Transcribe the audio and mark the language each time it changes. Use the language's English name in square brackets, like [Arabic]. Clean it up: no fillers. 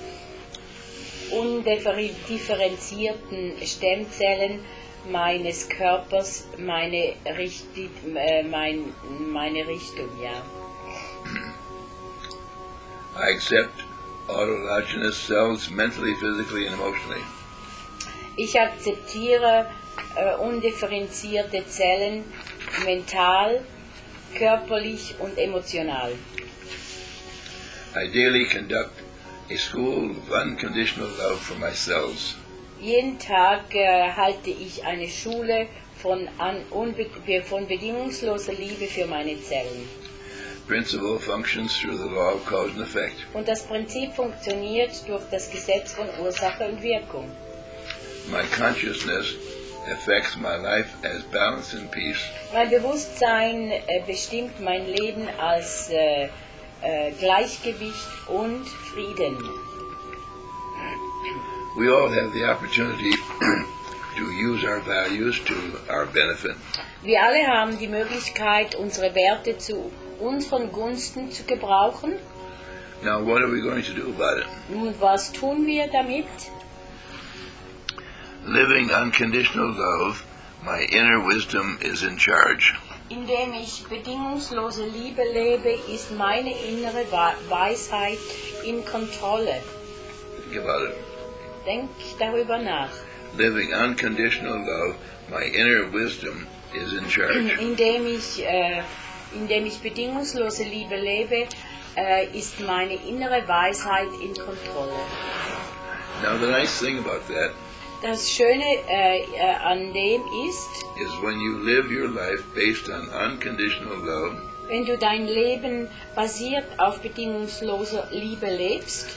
[German] Ich gebe den undifferenzierten Stammzellen meines Körpers meine Richtung, ja. [English] I accept autologous cells mentally, physically and emotionally. [German] Ich akzeptiere undifferenzierte Zellen mental, körperlich und emotional. [English] I daily conduct a school of unconditional love for myself. [German] Jeden Tag halte ich eine Schule von bedingungsloser Liebe für meine Zellen. [English] Principle functions through the law of cause and effect. [German] Und das Prinzip funktioniert durch das Gesetz von Ursache und Wirkung. [English] My consciousness affects my life as balance and peace. [German] Mein Bewusstsein bestimmt mein Leben als Gleichgewicht und Frieden. [English] We all have the opportunity to use our values to our benefit. [German] Wir alle haben die Möglichkeit, unsere Werte zu unseren Gunsten zu gebrauchen. [English] Now, what are we going to do about it? [German] Und was tun wir damit? [English] Living unconditional love, my inner wisdom is in charge. [German] Indem ich bedingungslose Liebe lebe, ist meine innere Weisheit in Kontrolle. Denk darüber nach. [English] Living unconditional love, my inner wisdom is in charge. [German] Indem ich bedingungslose Liebe lebe, ist meine innere Weisheit in Kontrolle. [English] Now the nice thing about that. [German] Das Schöne an dem ist, [English] is when you live your life based on unconditional love, [German] wenn du dein Leben basiert auf bedingungsloser Liebe lebst,